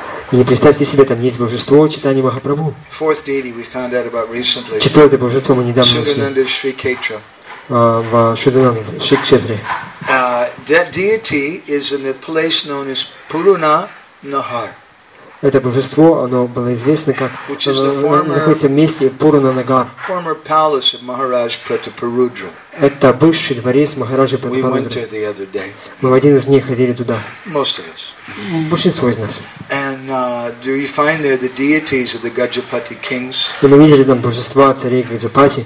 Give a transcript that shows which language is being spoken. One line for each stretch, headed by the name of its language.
Russian: И представьте себе, там есть божество Чайтанья Махапрабху. Четвертое божество мы недавно нашли. В Шудананде, Шри Кшетре.
English: That deity is in a place known as Puruna Nahar.
Russian: Это божество, оно было известно как находится в месте Пуруна Нагар.
English: Former palace of Maharaj Prataparudra.
Russian: Это бывший дворец Махараджи Пратапарудры.
English: We went there the other day.
Russian: Мы в один из дней ходили туда.
English: Most of us.
Russian: Большинство из нас.
English: And do you find there the deities of the Gajapati kings?
Russian: И мы видели там божества царей Гаджапати.